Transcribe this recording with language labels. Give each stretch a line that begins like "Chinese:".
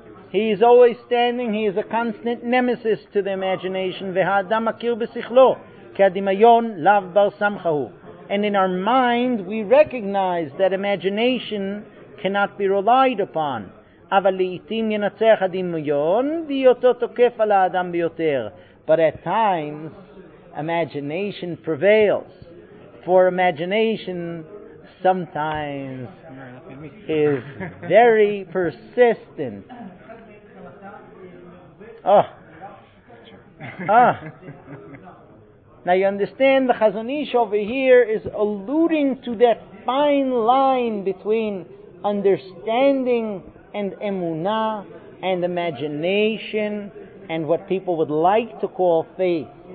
English: He is always standing, he is a constant nemesis to the imagination.
Hebrew: והאדם מכיר בשכלו, כי הדמיון לאו בר סמכה הוא.
English: And in our mind, we recognize that imagination cannot be relied upon.
Hebrew: אבל לעתים ינצח הדמיון, ויותו תוקף על האדם ביותר.
English: But at times, imagination prevails. For imagination sometimes is very persistent. Oh. Now you understand the Chazon Ish over here is alluding to that fine line between understanding and emunah and imagination and what people would like to call faith.